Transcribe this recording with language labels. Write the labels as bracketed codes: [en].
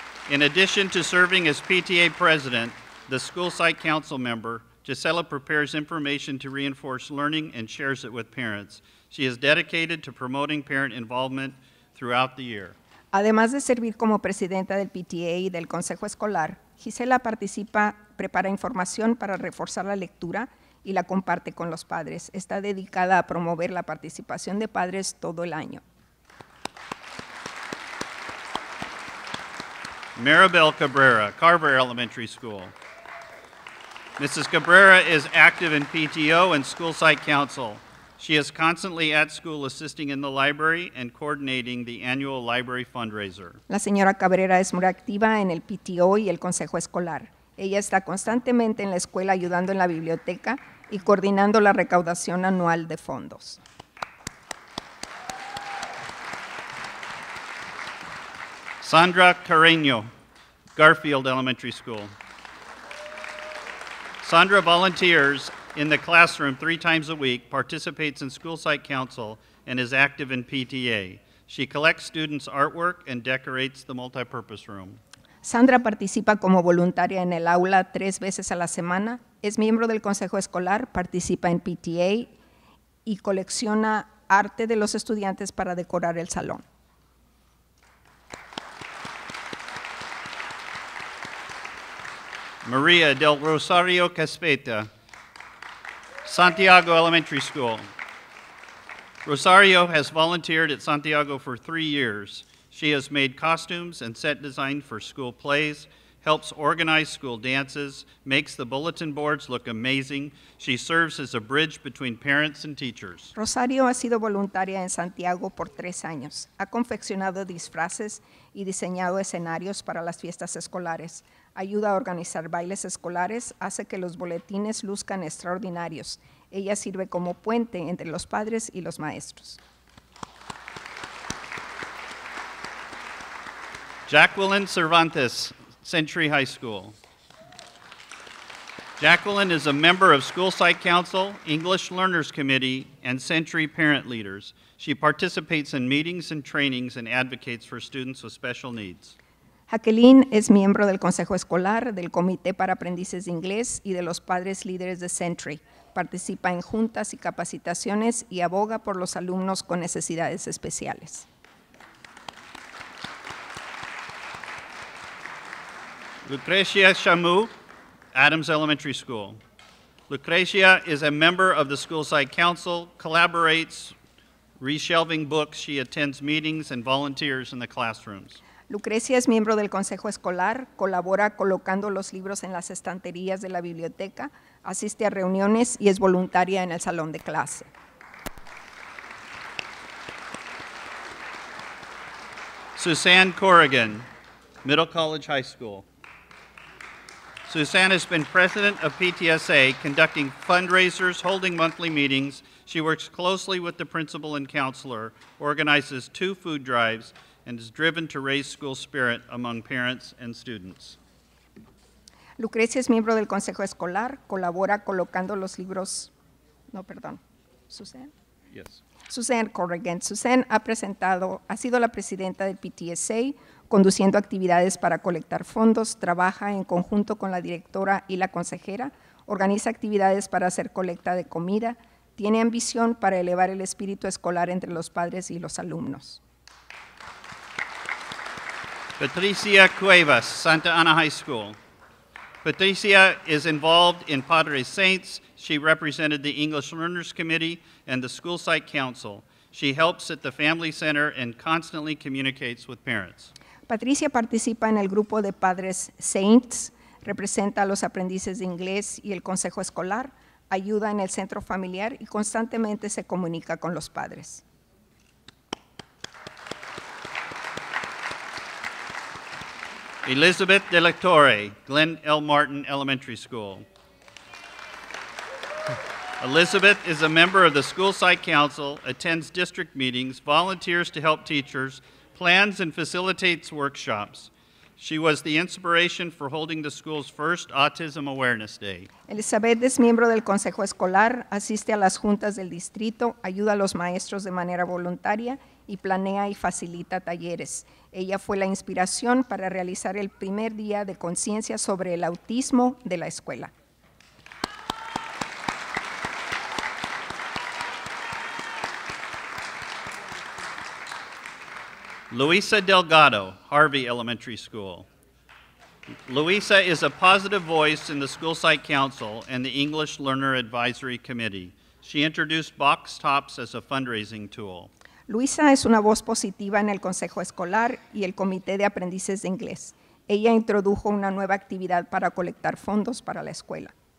[en] In addition to serving as PTA president, the school site council member, Gisela prepares information to reinforce learning and shares it with parents. She is dedicated to promoting parent involvement throughout the year. [es] Además de servir como presidenta del PTA y del Consejo Escolar, Gisela participa, prepara información para reforzar la lectura y la comparte con los padres. Está dedicada a promover la participación de padres todo el año. [en] Maribel Cabrera, Carver Elementary School. Mrs. Cabrera is active in PTO and school site council. She is constantly at school assisting in the library and coordinating the annual library fundraiser. [es] La señora Cabrera es muy activa en el PTO y el Consejo Escolar. Ella está constantemente en la escuela ayudando en la biblioteca y coordinando la recaudación anual de fondos. [en] Sandra Carreño, Garfield Elementary School. Sandra volunteers in the classroom 3 times a week, participates in school site council, and is active in PTA. She collects students' artwork and decorates the multipurpose room. [es] Sandra participa como voluntaria en el aula 3 veces a la semana, es miembro del Consejo Escolar, participa en PTA y colecciona arte de los estudiantes para decorar el salón. [en] Maria del Rosario Caspeta, Santiago Elementary School. Rosario has volunteered at Santiago for 3 years. She has made costumes and set design for school plays, helps organize school dances, makes the bulletin boards look amazing. She serves as a bridge between parents and teachers. [es] Rosario ha sido voluntaria en Santiago por 3 años. Ha confeccionado disfraces y diseñado escenarios para las fiestas escolares. Ayuda a organizar bailes escolares, hace que los boletines luzcan extraordinarios. Ella sirve como puente entre los padres y los maestros. [en] Jacqueline Cervantes, Century High School. Jacqueline is a member of School Site Council, English Learners Committee, and Century Parent Leaders. She participates in meetings and trainings and advocates for students with special needs. [es] Jacqueline es miembro del Consejo Escolar, del Comité para Aprendices de Inglés y de los Padres Líderes de Century. Participa en juntas y capacitaciones y aboga por los alumnos con necesidades especiales. [en] Lucrecia Chamou, Adams Elementary School. Lucrecia is a member of the school site council, collaborates reshelving books, she attends meetings and volunteers in the classrooms. [es] Lucrecia es miembro del consejo escolar, colabora colocando los libros en las estanterías de la biblioteca, asiste a reuniones y es voluntaria en el salón de clase. [en] Suzanne Corrigan, Middle College High School. Suzanne has been president of PTSA, conducting fundraisers, holding monthly meetings. She works closely with the principal and counselor, organizes two food drives, and is driven to raise school spirit among parents and students. [es] Lucrecia es miembro del consejo escolar, colabora colocando los libros, no, perdón, Suzanne? [en] Yes. Suzanne Corrigan. [es] Suzanne ha sido la presidenta del PTSA, conduciendo actividades para colectar fondos, trabaja en conjunto con la directora y la consejera, organiza actividades para hacer colecta de comida, tiene ambición para elevar el espíritu escolar entre los padres y los alumnos. [en] Patricia Cuevas, Santa Ana High School. Patricia is involved in Padre Saints. She represented the English Learners Committee and the School Site Council. She helps at the Family Center and constantly communicates with parents. [es] Patricia participa en el grupo de Padres Saints, representa a los aprendices de inglés y el consejo escolar, ayuda en el centro familiar y constantemente se comunica con los padres. [en] Elizabeth De La Torre, Glenn L. Martin Elementary School. Elizabeth is a member of the School Site Council, attends district meetings, volunteers to help teachers, plans and facilitates workshops. She was the inspiration for holding the school's first Autism Awareness Day. [es] Elizabeth es miembro del consejo escolar, asiste a las juntas del distrito, ayuda a los maestros de manera voluntaria y planea y facilita talleres. Ella fue la inspiración para realizar el primer día de conciencia sobre el autismo de la escuela. [en] Luisa Delgado, Harvey Elementary School. Luisa is a positive voice in the School Site Council and the English Learner Advisory Committee. She introduced box tops as a fundraising tool. [es] Luisa es una voz positiva en el Consejo Escolar y el Comité de Aprendices de Inglés. Ella introdujo una nueva actividad para colectar fondos para la escuela.